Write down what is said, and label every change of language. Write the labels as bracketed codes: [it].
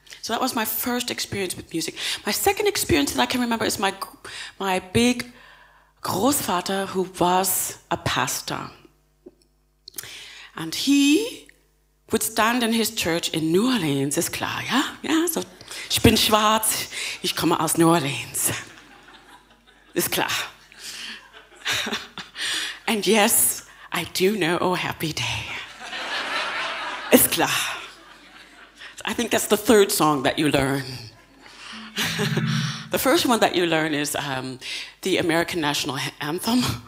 [en] So that was my first experience with music. My second experience that I can remember is my big Großvater, who was a pastor. And he would stand in his church in New Orleans, [de] ist klar, ja? Ja, so, ich bin schwarz, ich komme aus New Orleans. Ist klar. [en] And yes, I do know, oh happy day. [de] Ist klar. [en] I think that's the third song that you learn. The first one that you learn is the American National Anthem.